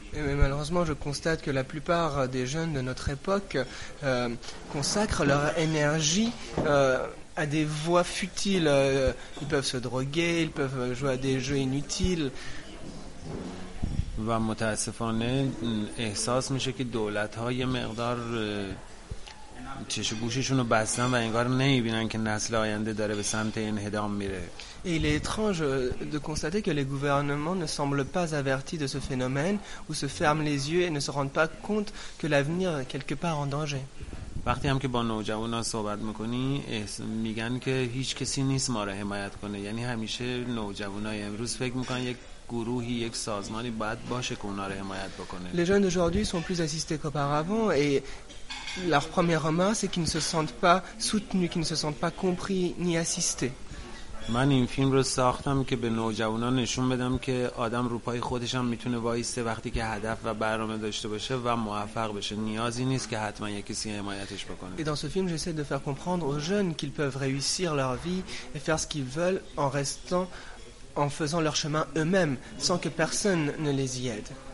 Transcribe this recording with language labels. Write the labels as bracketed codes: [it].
[fr] Mais malheureusement je constate que la plupart des jeunes de notre époque consacrent leur énergie à des voies futiles. Ils peuvent se droguer, ils peuvent jouer à des jeux inutiles. [fa] و متاسفانه احساس میشه که دولت های مقدار چشم گوششون رو بستن و انگار نمیبینن که نسل آینده داره به سمت انهدام میره. [fr] Et il est étrange de constater que les gouvernements ne semblent pas avertis de ce phénomène ou se ferment les yeux et ne se rendent pas compte que l'avenir est quelque part en danger. [fa] وقتی هم که با نوجوانا صحبت میکنی میگن که هیچ کسی نیست ما را حمایت کنه، یعنی همیشه نوجوانای امروز فکر میکنن یک گروهی، یک سازمانی باید باشه که اونا را حمایت بکنه. [fr] Les jeunes d'aujourd'hui sont plus assistés qu'auparavant et leur première remarque c'est qu'ils ne se sentent pas soutenus, qu'ils ne se sentent pas compris ni assistés. [fa] من این فیلم رو ساختم که به نوجوانا نشون بدم که آدم روپای خودش هم میتونه وایسته وقتی که هدف و برنامه داشته باشه و موفق بشه، نیازی نیست که حتما کسی حمایتش بکنه. [fr] Et dans ce film j'essaie de faire comprendre aux jeunes qu'ils peuvent réussir leur vie et faire ce qu'ils veulent en restant en faisant leur chemin eux-mêmes sans que personne ne les y aide.